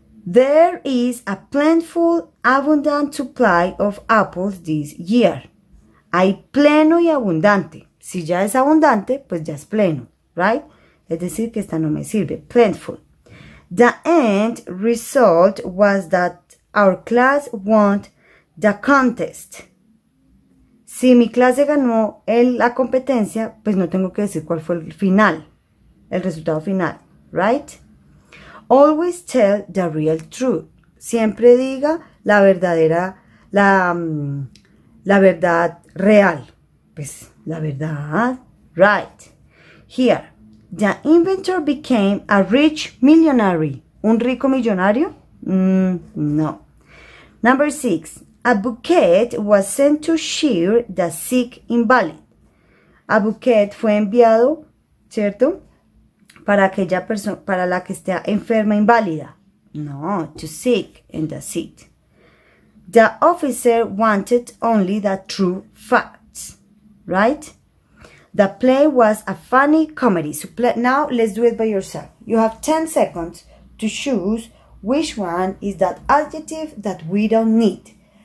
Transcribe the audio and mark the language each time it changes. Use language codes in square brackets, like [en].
[en] There is a plentiful, abundant supply of apples this year. [es] Hay pleno y abundante. Si ya es abundante, pues ya es pleno, right? Es decir, que esta no me sirve. Plentiful. [en] The end result was that our class won the contest. [es] Si mi clase ganó la competencia, pues no tengo que decir cuál fue el final, el resultado final, right? [en] Always tell the real truth. [es] Siempre diga la verdadera, la verdad real. Pues la verdad, [en] right? Here, the inventor became a rich millionaire. [es] ¿Un rico millonario? No. [en] Number six, a bouquet was sent to cheer the sick invalid. [es] A bouquet fue enviado, ¿cierto? Para aquella persona, para la que esté enferma, inválida. [en] No, to sick in the seat. The officer wanted only the true facts, right? The play was a funny comedy. So now let's do it by yourself. You have 10 seconds to choose which one is that adjective that we don't need.